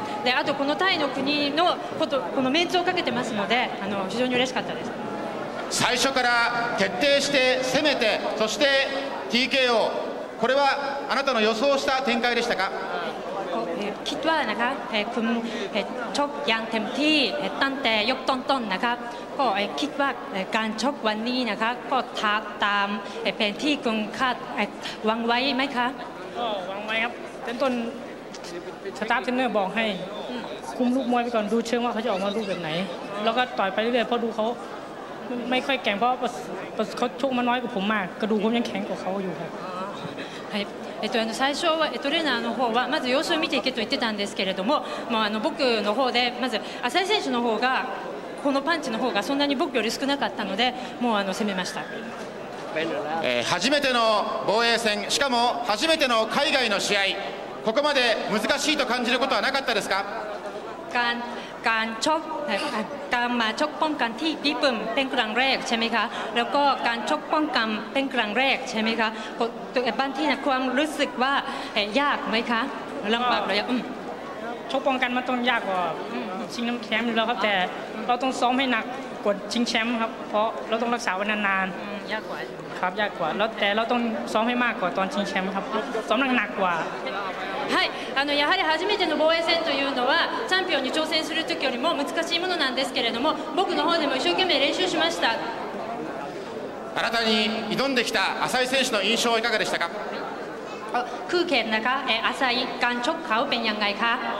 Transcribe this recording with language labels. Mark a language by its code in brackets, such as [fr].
[ja] であとこのタイの国のことこのメンツをかけてますので非常に嬉しかったです。最初から徹底して攻めてそして TKO、 これはあなたの予想した展開でしたか。 [th] คิดว่านะคะคุณชกอย่างเต็มที่ตั้งแต่ยกต้นๆนะคะก็คิดว่าการชกวันนี้นะคะก็ท้าตามแผนที่คุณคาดวางไว้ไหมคะ วางไว้ครับเริ่มต้นสตาร์ทเทรนเนอร์บอกให้คุมลูกมวยไปก่อนดูเชิงว่าเขาจะออกมาลูกแบบไหนแล้วก็ต่อยไปเรื่อยๆเพราะดูเขาไม่ค่อยแข็งเพราะเขาชกมาน้อยกว่าผมมากกระดูกผมยังแข็งกว่าเขาอยู่ครับ ใช่ [ja] 最初トレーナーの方はまず様子を見ていけと言ってたんですけれども、まあ僕の方でまず浅井選手の方がこのパンチの方がそんなに僕より少なかったのでもう攻めました。初めての防衛戦しかも初めての海外の試合、ここまで難しいと感じることはなかったですか。 [th] การมาชกป้องกันที่ญี่ปุ่นเป็นครั้งแรกใช่ไหมคะแล้วก็การชกป้องกันเป็นครั้งแรกใช่ไหมคะบางทีนะความรู้สึกว่ายากไหมคะลำบากหรือยัง ชกป้องกันมันต้องยากกว่าชิงแชมป์อยู่แล้วครับแต่เราต้องซ้อมให้หนักกว่าชิงแชมป์ครับเพราะเราต้องรักษาไว้นานๆ ยากกว่า ครับยากกว่าแล้วแต่เราต้องซ้อมให้มากกว่าตอนชิงแชมป์ครับซ้อมหนักกว่า [ja] はい、やはり初めての防衛戦というのはチャンピオンに挑戦するときよりも難しいものなんですけれども、僕の方でも一生懸命練習しました。新たに挑んできた浅井選手の印象はいかがでしたか。空気の中、浅井がちょっかうべんやんがいか